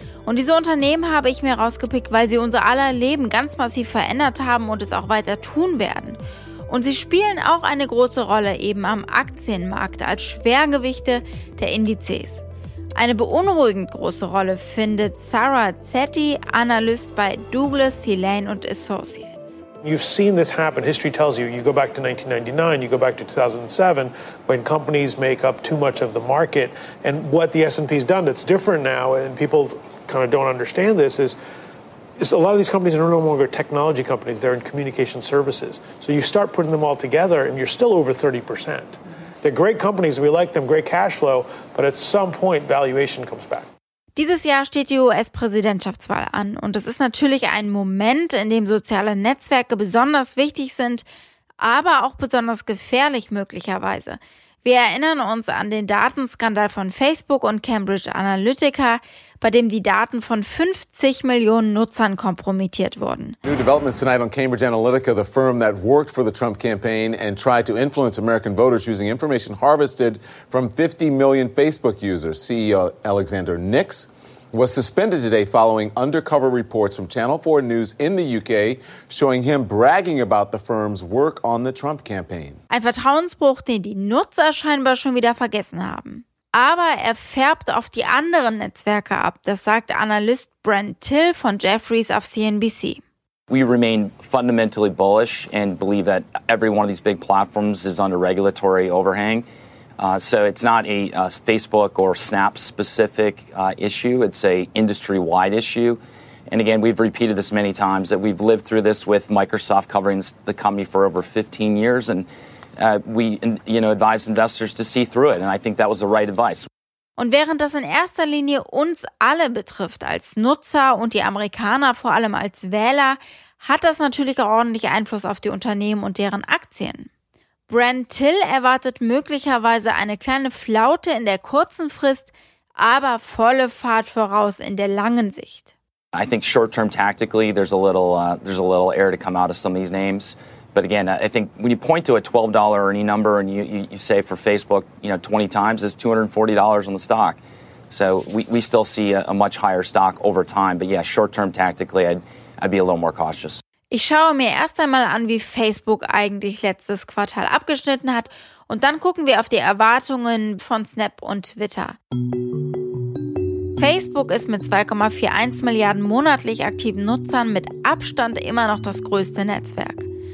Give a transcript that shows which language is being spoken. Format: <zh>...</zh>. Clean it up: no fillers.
<de>Und diese Unternehmen habe ich mir rausgepickt, weil sie unser aller Leben ganz massiv verändert haben und es auch weiter tun werden. Und sie spielen auch eine große Rolle eben am Aktienmarkt als Schwergewichte der Indizes. Eine beunruhigend große Rolle findet Sarah Zetti, Analyst bei Douglas C. Lane & Associates.</de> <en>You've seen this happen. History tells you, you go back to 1999, you go back to 2007, when companies make up too much of the market. And what the S&P's done that's different now, and people kind of don't understand this, is a lot of these companies are no longer technology companies, they're in communication services. So you start putting them all together, and you're still over 30%. They're great companies, we like them, great cash flow, but at some point valuation comes back.</en> <de>Dieses Jahr steht die US-Präsidentschaftswahl an und es ist natürlich ein Moment, in dem soziale Netzwerke besonders wichtig sind, aber auch besonders gefährlich möglicherweise. Wir erinnern uns an den Datenskandal von Facebook und Cambridge Analytica, bei dem die Daten von 50 Millionen Nutzern kompromittiert wurden.</de> <en>New developments tonight on Cambridge Analytica, the firm that worked for the Trump campaign and tried to influence American voters using information harvested from 50 million Facebook users. CEO Alexander Nix was suspended today following undercover reports from Channel 4 News in the UK showing him bragging about the firm's work on the Trump campaign.</en> <de>Ein Vertrauensbruch, den die Nutzer scheinbar schon wieder vergessen haben. Aber er färbt auf die anderen Netzwerke ab, das sagt Analyst Brent Till von Jefferies auf CNBC.</de> <en>We remain fundamentally bullish and believe that every one of these big platforms is under regulatory overhang. So it's not a Facebook or Snap specific issue, it's a industry-wide issue. And again, we've repeated this many times that we've lived through this with Microsoft covering the company for over 15 years and we advise investors to see through it and I think that was the right advice.</en> <de>Und während das in erster Linie uns alle betrifft als Nutzer und die Amerikaner vor allem als Wähler, hat das natürlich auch ordentlich Einfluss auf die Unternehmen und deren Aktien. Brent Till erwartet möglicherweise eine kleine Flaute in der kurzen Frist, aber volle Fahrt voraus in der langen Sicht.</de> <en>I think short-term tactically there's a little air to come out of some of these names, but again, I think when you point to a $12 earning number and you say for Facebook, 20 times is $240 on the stock. So we still see a much higher stock over time, but yeah, short-term tactically I'd be a little more cautious.</en> <de>Ich schaue mir erst einmal an, wie Facebook eigentlich letztes Quartal abgeschnitten hat und dann gucken wir auf die Erwartungen von Snap und Twitter. Facebook ist mit 2,41 Milliarden monatlich aktiven Nutzern mit Abstand immer noch das größte Netzwerk.</de>